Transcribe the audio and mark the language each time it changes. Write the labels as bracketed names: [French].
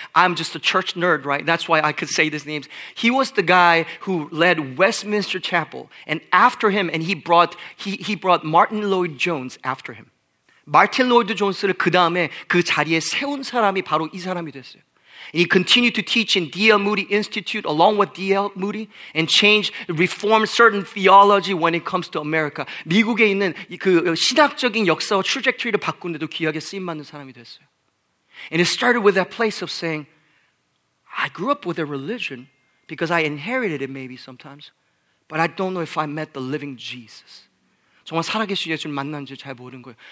[English] I'm just a church nerd, right? That's why I could say these names. He was the guy who led Westminster Chapel, and after him, and he brought Martin Lloyd Jones after him. [Korean] Martin Lloyd Jones를 그 다음에 그 자리에 세운 사람이 바로 이 사람이 됐어요. [English] And he continued to teach in D.L. Moody Institute along with D.L. Moody and change, reform certain theology when it comes to America. [Korean] 미국에 있는 그 신학적인 역사와 트라젝토리를 바꾼데도 귀하게 쓰임 받는 사람이 됐어요. [English] And it started with that place of saying, I grew up with a religion because I inherited it maybe sometimes, but I don't know if I met the living Jesus. [Korean] 정말 살아계신 예수님 만난지 잘 모르는 거예요.